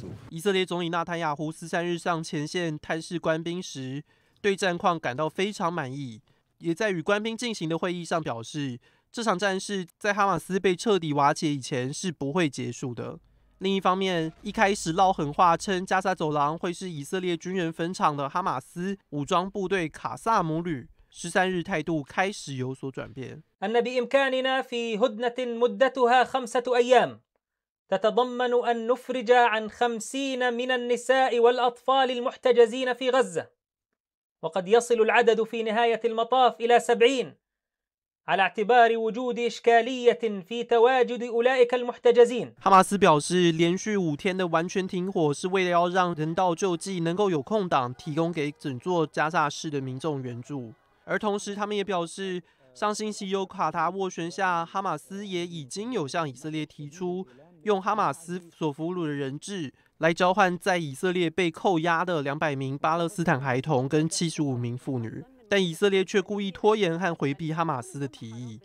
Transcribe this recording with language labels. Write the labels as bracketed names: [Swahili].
[Chinese] 以色列总理纳坦雅胡3日上前线探视官兵时，对战况感到非常满意，也在与官兵进行的会议上表示，这场战事在哈马斯被彻底瓦解以前是不会结束的。另一方面，一开始撂狠话称加沙走廊会是以色列军人坟场的哈马斯武装部队卡萨姆旅，13日态度开始有所转变。 [Arabic] أن بإمكاننا في هدنة مدتها 5 أيام تتضمن أن نفرج عن 50 من النساء والأطفال المحتجزين في غزة. وقد يصل العدد في نهاية المطاف إلى 70 على اعتبار وجود إشكالية في تواجد أولئك المحتجزين. [Chinese] 哈马斯表示，连续五天的完全停火是为了要让人道救济能够有空档提供给整座加萨市的民众援助。而同时，他们也表示，上星期由卡塔斡旋下，哈马斯也已经有向以色列提出，用哈马斯所俘虏的人质来交换在以色列被扣押的200名巴勒斯坦孩童跟75名妇女，但以色列却故意拖延和回避哈马斯的提议。